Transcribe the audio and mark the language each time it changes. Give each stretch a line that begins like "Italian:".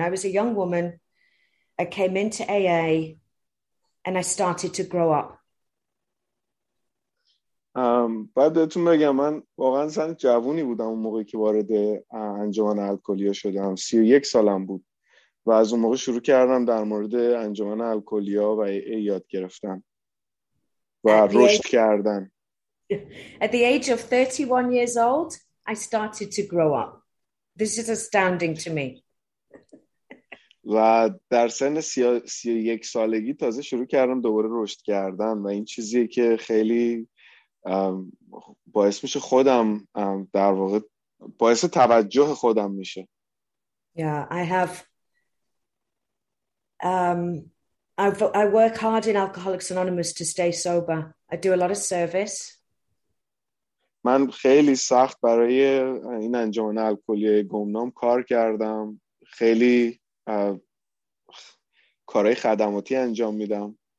English: I was a young woman. I came into AA and I started to grow up.
Persian: باید بهتون بگم من واقعا سن جوونی بودم اون موقعی که وارد انجمن الکلیا شدم. 31 سالم بود و از اون موقع شروع کردم در مورد انجمن الکلیا و AA یاد گرفتم و رشد کردن.
English: At the age of 31 years old, I started to grow up. This is astounding to me.
Persian: و در سن 31 سالگی تازه شروع کردم دوباره رشد کردن و این چیزیه که خیلی باعث میشه خودم در واقع باعث توجه خودم میشه.
English: Yeah, I have I work hard in Alcoholics Anonymous to stay sober. I do a lot of service.
Persian: من خیلی سخت برای این انجمن الکلی گمنام کار کردم. خیلی کارهای خدماتی انجام میدم.